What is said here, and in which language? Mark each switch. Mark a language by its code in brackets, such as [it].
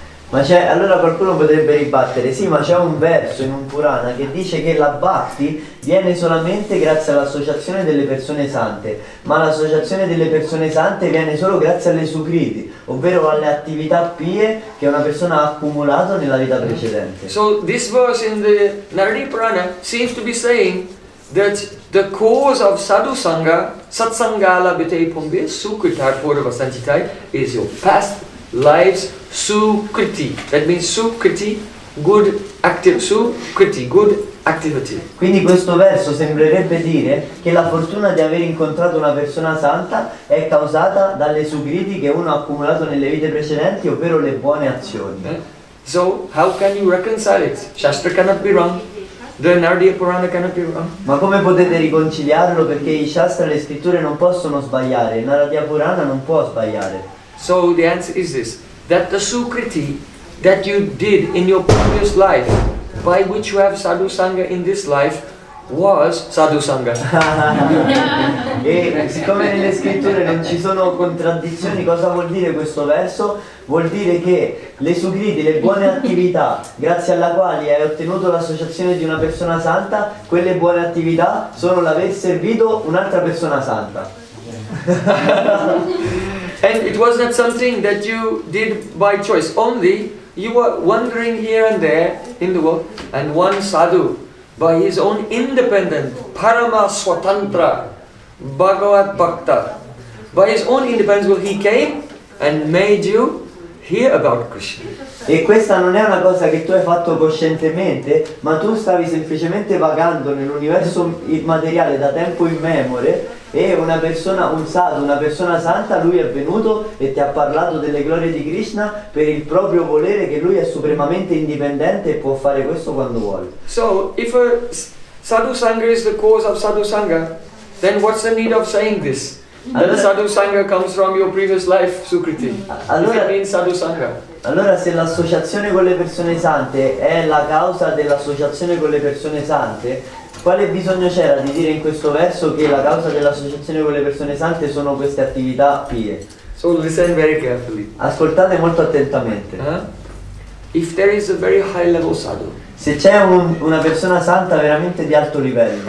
[it] Ma c'è, allora qualcuno potrebbe ribattere, sì, ma c'è un verso in un Purana che dice che la bhakti viene solamente grazie all'associazione delle persone sante, ma l'associazione delle persone sante viene solo grazie alle sukriti, ovvero alle attività pie che una persona ha accumulato nella vita precedente. [en] So this verse in the Naradi Purana seems to be saying that the cause of sadhu sangha, [sa] satsangala bitei pumbi, sukrita purva sanchitai, [en] is your past lives. Sukriti, that means sukriti, good active, sukriti, good activity. [it] Quindi questo verso sembrerebbe dire che la fortuna di aver incontrato una persona santa è causata dalle sukriti che uno ha accumulato nelle vite precedenti, ovvero le buone azioni. [en] Okay. So, how can you reconcile it? Shastra cannot be wrong. The Naradiya Purana cannot be wrong. [it] Ma come potete riconciliarlo? Perché i Shastra e le scritture non possono sbagliare, il Naradiya Purana non può sbagliare. [en] So, the answer is this. That the sukriti that you did in your previous life, by which you have sadhu sangha in this life, was sadhu sangha. [it] E siccome nelle scritture non ci sono contraddizioni, cosa vuol dire questo verso? Vuol dire che le sukriti, le buone attività, grazie alla quali hai ottenuto l'associazione di una persona santa, quelle buone attività sono l'aver servito un'altra persona santa. [en] And it was not something that you did by choice, only you were wandering here and there in the world, and one sadhu, by his own independent, parama swatantra, bhagavat bhakta, by his own independence, well, he came and made you hear about Krishna. [it] E questa non è una cosa che tu hai fatto coscientemente, ma tu stavi semplicemente vagando nell'universo immateriale da tempo immemore, e una persona, un sadhu, una persona santa, lui è venuto e ti ha parlato delle glorie di Krishna per il proprio volere, che lui è supremamente indipendente e può fare questo quando vuole. [en] So, if a sadhu sangha is the cause of sadhu sangha, then what's the need of saying this? Allora, the sadhu sangha comes from your previous life, sukriti. [it] Allora, [en] if it means sadhu sangha. [it] Allora, se l'associazione con le persone sante è la causa dell'associazione con le persone sante, quale bisogno c'era di dire in questo verso che la causa dell'associazione con le persone sante sono queste attività pie? [en] So listen very carefully. [it] Ascoltate molto attentamente. [en] If there is a very high level sadhu, [it] se c'è una persona santa veramente di alto livello,